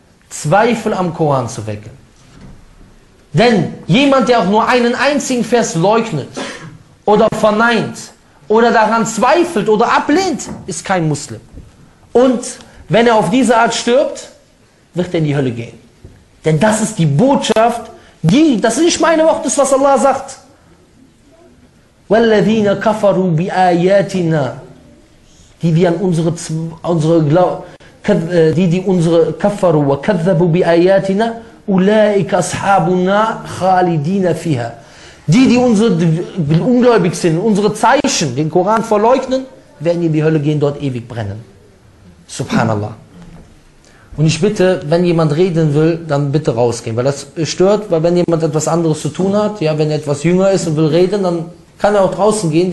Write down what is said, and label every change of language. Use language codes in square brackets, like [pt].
[de] Zweifel am Koran zu wecken. Denn jemand, der auch nur einen einzigen Vers leugnet oder verneint oder daran zweifelt oder ablehnt, ist kein Muslim. Und wenn er auf diese Art stirbt, wird er in die Hölle gehen. Denn das ist die Botschaft, die, das ist nicht meine Worte, das ist, was Allah sagt. [ar] وَالَّذِينَ كَفَرُوا بِآيَاتِنَا. [de] Die, die an unsere die unsere [ar] كَفَرُوا وَكَذَّبُوا بِآيَاتِنَا أُولَٰئِكَ أَصْحَابُ النَّارِ خَالِدِينَ فِيهَا. [de] Die, die unsere ungläubig sind, unsere Zeichen, den Koran verleugnen, werden in die Hölle gehen, dort ewig brennen. Subhanallah. Und ich bitte, wenn jemand reden will, dann bitte rausgehen, weil das stört, weil wenn jemand etwas anderes zu tun hat, ja, wenn er etwas jünger ist und will reden, dann kann er auch draußen gehen.